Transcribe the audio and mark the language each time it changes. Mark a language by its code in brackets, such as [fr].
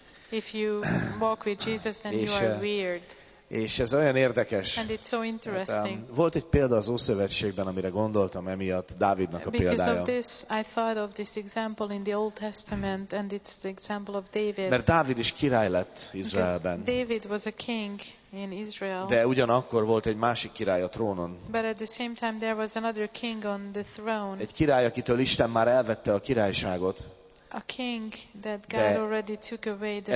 [en] If you walk with Jesus and you are weird. [hu] És ez olyan érdekes. [en] And it's so interesting. Hát, [hu] volt egy példa az Ószövetségben, amire gondoltam emiatt, Dávidnak a példája. [en] Because of this, I thought of this example in the Old Testament, and it's the example of David. [hu] Mert Dávid is király lett Izraelben. [en] Because David was a king in Israel. [hu] De ugyanakkor volt egy másik király a trónon. [en] But at the same time there was another king on the throne. [hu] Egy király, akitől Isten már elvette a királyságot. [en] A king that God already took away the throne.